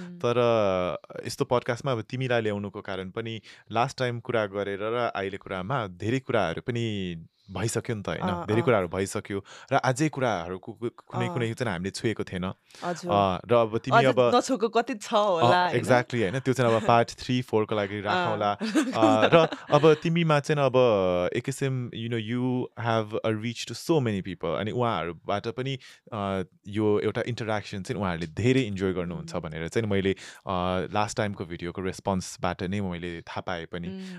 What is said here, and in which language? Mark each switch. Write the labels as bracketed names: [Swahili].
[Nepali] तर यस्तो पडकास्टमा अब तिमीलाई ल्याउनुको कारण पनि लास्ट टाइम कुरा गरेर र अहिले कुरामा धेरै कुराहरू पनि भइसक्यो नि त होइन. धेरै कुराहरू भइसक्यो र अझै कुराहरूको कुनै कुनै चाहिँ हामीले छुएको थिएन र अब तिमी अब नछोएको कति छ होला एक्ज्याक्टली होइन. त्यो चाहिँ अब पार्ट 3-4 लागि राखौँला. र अब तिमीमा चाहिँ अब एक किसिम [English] you know you have a reach to so many people [Nepali] अनि उहाँहरूबाट पनि यो एउटा इन्टरेक्सन चाहिँ उहाँहरूले धेरै इन्जोय गर्नुहुन्छ भनेर चाहिँ मैले लास्ट टाइमको भिडियोको रेस्पोन्सबाट नै मैले थाहा पाएँ पनि.